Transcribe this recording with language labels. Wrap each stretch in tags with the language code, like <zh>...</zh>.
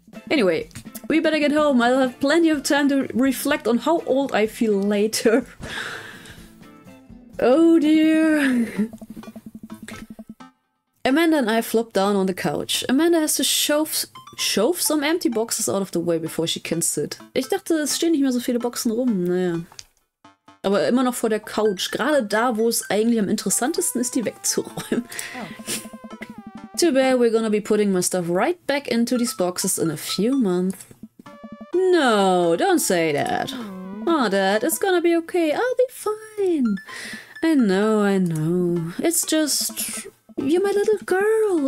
<en>Anyway, we better get home. I'll have plenty of time to reflect on how old I feel later. Oh dear. Amanda and I flop down on the couch. Amanda has to shove some empty boxes out of the way before she can sit.</en> <de>Ich dachte, es stehen nicht mehr so viele Boxen rum. Naja. Aber immer noch vor der Couch. Gerade da, wo es eigentlich am interessantesten ist, die wegzuräumen.</de> <en>Oh. Too bad we're gonna be putting my stuff right back into these boxes in a few months. No, don't say that. Oh, Dad, it's gonna be okay. I'll be fine. I know. It's just... you're my little girl.</en>